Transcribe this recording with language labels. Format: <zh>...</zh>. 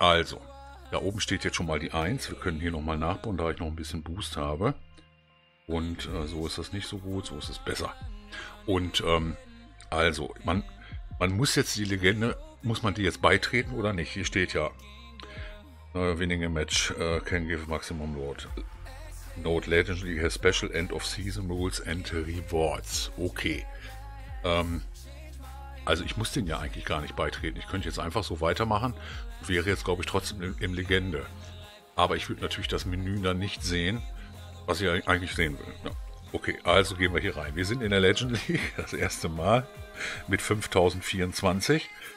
<de>Also, da oben steht jetzt schon mal die 1. Wir können hier nochmal nachbauen, da ich noch ein bisschen Boost habe. Und so ist das nicht so gut, so ist es besser. Und also, man muss jetzt die Legende, muss man die jetzt beitreten oder nicht? Hier steht ja,</de> <en>winning a match can give maximum reward. Note, Legendary has special end of season rules and rewards. Okay.</en> <de>Also ich muss den ja eigentlich gar nicht beitreten. Ich könnte jetzt einfach so weitermachen, wäre jetzt glaube ich trotzdem im Legende. Aber ich würde natürlich das Menü dann nicht sehen, was ich eigentlich sehen will. Ja. Okay, also gehen wir hier rein. Wir sind in der Legend League, das erste Mal, mit 5024.</de>